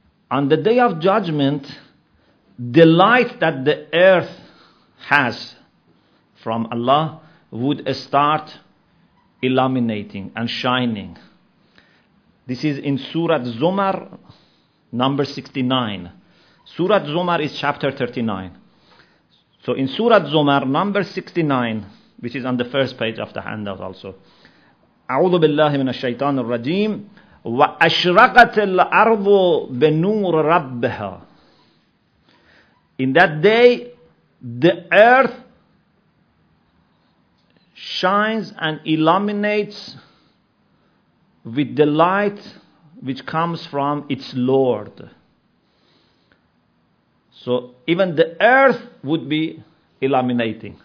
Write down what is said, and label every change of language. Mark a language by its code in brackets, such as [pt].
[en] On the day of judgment, the light that the earth has from Allah would start illuminating and shining. This is in Surah Zumar, number 69. Surah Zumar is chapter 39. So in Surah Zumar, number 69, which is on the first page of the handout also. [ar] أعوذ بالله من الشيطان الرجيم وأشرقت الأرض بنور ربها. [en] In that day, the earth shines and illuminates with the light which comes from its Lord. So even the earth would be illuminating.